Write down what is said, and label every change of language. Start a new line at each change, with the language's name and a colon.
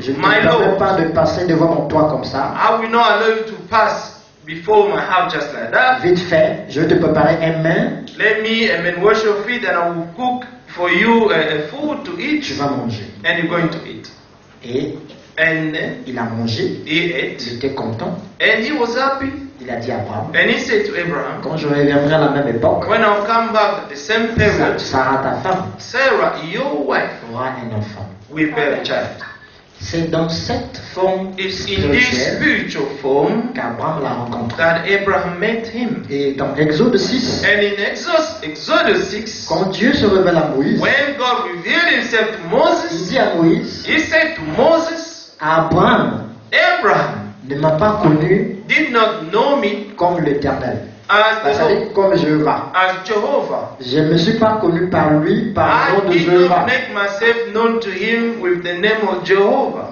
French: Je ne permets pas de passer devant mon toit comme ça.
English: I will not allow you to pass before my house just like that.
French: Vite fait, je vais te préparer un mets.
English: Let me amen wash your feet and I will cook. For you a food to eat,
French: tu vas manger.
English: And you're going to eat.
French: Et
English: and
French: il a mangé.
English: He ate.
French: Il était content.
English: And he was happy.
French: Il a dit à Abraham.
English: And he said to Abraham.
French: Quand je reviendrai à la même époque.
English: When I'll come back the same period.
French: Sarah, ta femme.
English: Sarah, your wife.
French: Aura un enfant.
English: Will bear a child.
French: C'est dans cette forme spirituelle qu'Abraham l'a rencontré.
English: That Abraham met him.
French: Et dans Exode 6,
English: and in Exode 6,
French: quand Dieu se révèle à Moïse,
English: when God revealed himself to Moses,
French: il dit à Moïse,
English: he said to Moses,
French: Abraham,
English: Abraham
French: ne m'a pas connu,
English: did not know me,
French: comme l'Éternel. Comme Jéhovah.
English: As Jehovah.
French: Je ne me suis pas connu par lui, par le nom de Jéhovah.
English: I did not make myself known to him with the name of Jehovah.